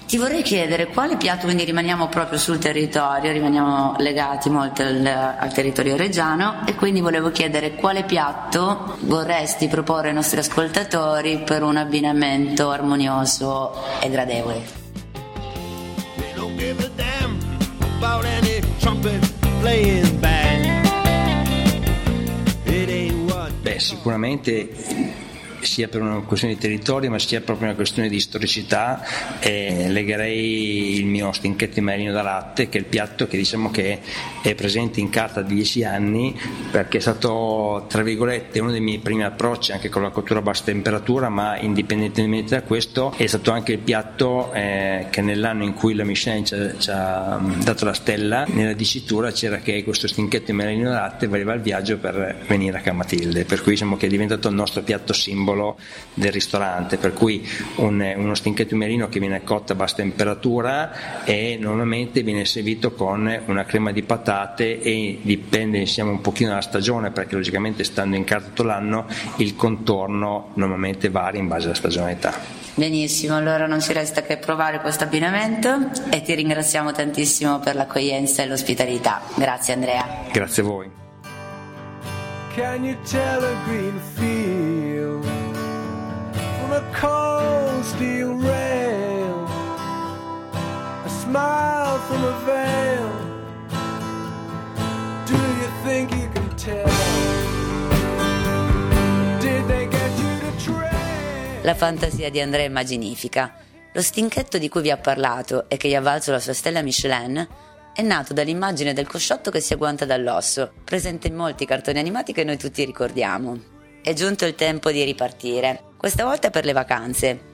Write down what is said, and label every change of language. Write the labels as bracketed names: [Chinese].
[Italian] Ti vorrei chiedere quale piatto, quindi rimaniamo proprio sul territorio, rimaniamo legati molto al territorio reggiano, e quindi volevo chiedere quale piatto vorresti proporre ai nostri ascoltatori per un abbinamento armonioso e gradevole. [English] Give a damn about any trumpet playing band. It ain't what. [Italian] Beh, sicuramente sia per una questione di territorio ma sia proprio una questione di storicità, legherei il mio stinchetto di merino da latte, che è il piatto che diciamo che è presente in carta da 10 anni, perché è stato tra virgolette uno dei miei primi approcci anche con la cottura a bassa temperatura, ma indipendentemente da questo è stato anche il piatto che nell'anno in cui la Michelin ci ha dato la stella nella dicitura c'era che questo stinchetto di merino da latte valeva il viaggio per venire a Camatilde, per cui diciamo che è diventato il nostro piatto del ristorante, per cui uno stinchetto di merino che viene cotto a bassa temperatura e normalmente viene servito con una crema di patate, e dipende insieme un pochino dalla stagione, perché logicamente stando in carta tutto l'anno il contorno normalmente varia in base alla stagionalità. Benissimo, allora non ci resta che provare questo abbinamento e ti ringraziamo tantissimo per l'accoglienza e l'ospitalità. Grazie Andrea. Grazie a voi. [English] Can you tell a green field from a cold steel rail? A smile from a veil. Do you think you can tell? Did they get you to trail? [Italian] La fantasia di Andrea è magnifica. Lo stinchetto di cui vi ha parlato e che gli ha valso la sua stella Michelin è nato dall'immagine del cosciotto che si agguanta dall'osso, presente in molti cartoni animati che noi tutti ricordiamo. È giunto il tempo di ripartire, questa volta per le vacanze.